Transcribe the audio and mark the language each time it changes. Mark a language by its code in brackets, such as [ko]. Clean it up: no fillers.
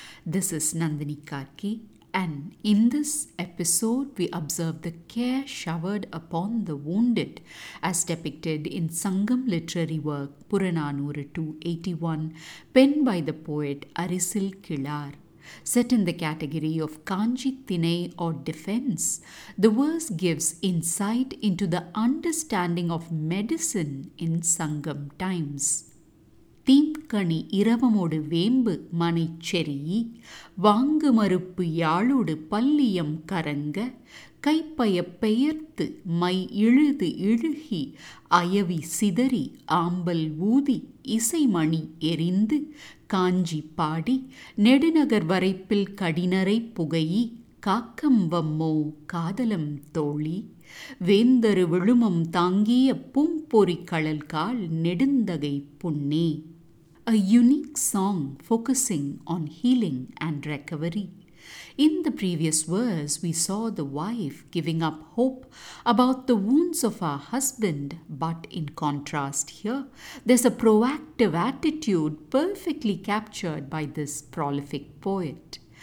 [en] This is Nandini Karki, and in this episode we observe the care showered upon the wounded as depicted in Sangam literary work Puranaanooru 281, penned by the poet Arisil Kizhaar. Set in the category of Kanji Thinai or defense, the verse gives insight into the understanding of medicine in Sangam times. [ta] தீம்கணி இரவமோடு வேம்பு மனை செறி வாங்கு மறுப்பு யாழோடு பல்லியம் கரங்க கைப்பய பெயர்த்து my இழுது இழுகி அயவி சிதறி ஆம்பல் ஊதி இசைமணி எரிந்து காஞ்சி பாடி நெடுநகர் வரைப்பில் கடினரை புகையி காக்கம்பம்மோ காதலம் தோழி வேந்தரு விழுமம் தாங்கிய பூம்பொறி கழல்கால் நெடுந்தகை புன்னே. [en] A unique song focusing on healing and recovery. In the previous verse, we saw the wife giving up hope about the wounds of her husband, but in contrast here, there's a proactive attitude perfectly captured by this prolific poet.